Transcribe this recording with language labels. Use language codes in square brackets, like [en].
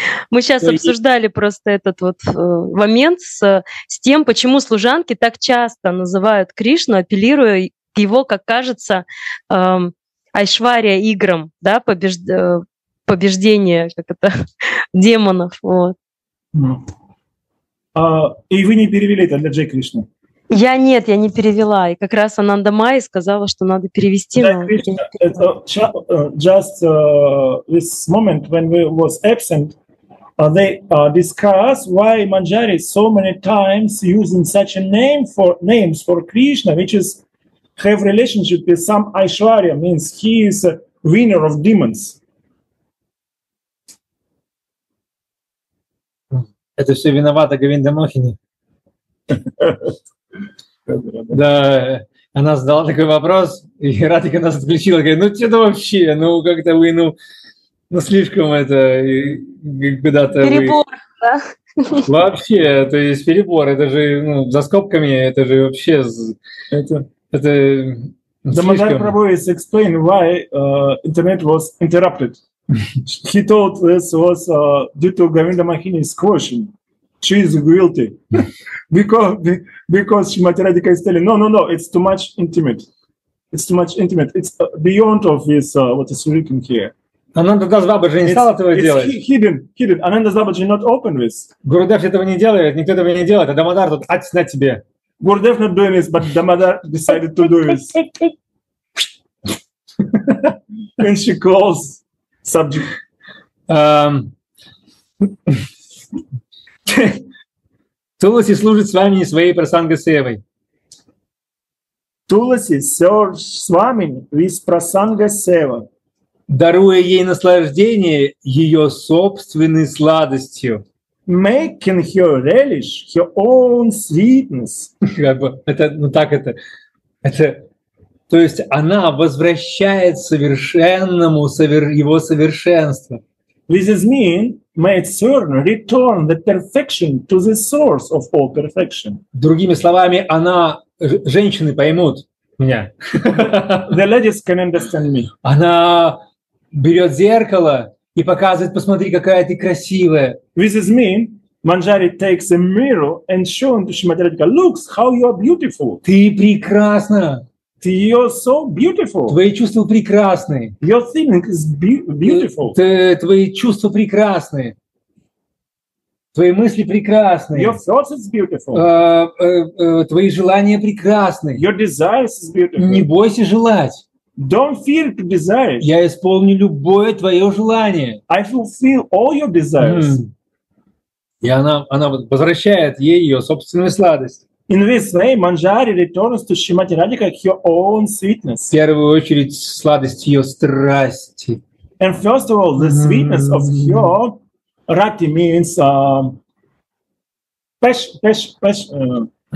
[ru] Мы сейчас обсуждали просто этот вот момент с тем, почему служанки так часто называют Кришну, апеллируя к его, как кажется, Айшвария играм, да, побеждение как это, демонов. Вот. И вы не перевели это для Джай Кришны? Я не перевела. И как раз Ананда Майи сказала, что надо перевести. [en] Джай Кришна, just this moment when we was absent, they discuss why Manjari so many times using such a name for names for Krishna, which is have relationship with some Aishwarya, means he is a winner of demons. [ru] Это все виновата Говинда Мохини. Да, она задала такой вопрос, и Радика нас отключила, говорит, ну что-то вообще, ну как-то вы, ну, ну слишком это, куда-то перебор, вы... да? Вообще, то есть перебор, это же, ну, за скобками, это же вообще, это слишком. [en] The Madhari Prabhu is explaining why internet was interrupted. He told this was due to Govinda Mohini's question. She is guilty because she Matiradika is telling no, it's too much intimate. It's too much intimate. It's beyond of this what is written here. [ru] Ананда Дас Бабаджи не стал этого делать. [en] It's hidden. Ананда Дас Бабаджи not open this. [ru] Гурудев этого не делает, никто этого не делает, а Дамодар тут ать на тебе. [en] Гурудев not doing this, but Дамодар decided to do this. And she calls subject. [ru] Туласи служит с вами не своей прасанга севой. [en] Туласи серж с вами вис прасанга сева. [ru] Даруя ей наслаждение ее собственной сладостью. [en] Making her relish her own sweetness. [ru] Как бы, это, ну так это, то есть она возвращает совершенному его совершенство. [en] This is mean, may it soon return the perfection to the source of all perfection. [ru] Другими словами, она, женщины поймут меня. [en] The ladies can understand me. [ru] Она берет зеркало и показывает, посмотри, какая ты красивая. [en] This is mean, Manjari takes a mirror and shows Shmadradika, look how you are beautiful. [ru] Ты прекрасна. [en] You're so beautiful. [ru] Твои чувства прекрасны. [en] Your feeling is beautiful. [ru] Твои чувства прекрасны. Твои мысли прекрасны. [en] Your thoughts is beautiful. [ru] Твои желания прекрасны. [en] Your desires is beautiful. [ru] Не бойся желать. [en] Don't fear to desire. [ru] Я исполню любое твое желание. [en] I fulfill all your desires. Mm. [ru] И она возвращает ей ее собственную сладость. [en] In this way, Manjari returns to Shrimati Radhika her own sweetness. [ru] В первую очередь сладость ее страсти. [en] And first of all, the sweetness of her rati means passion.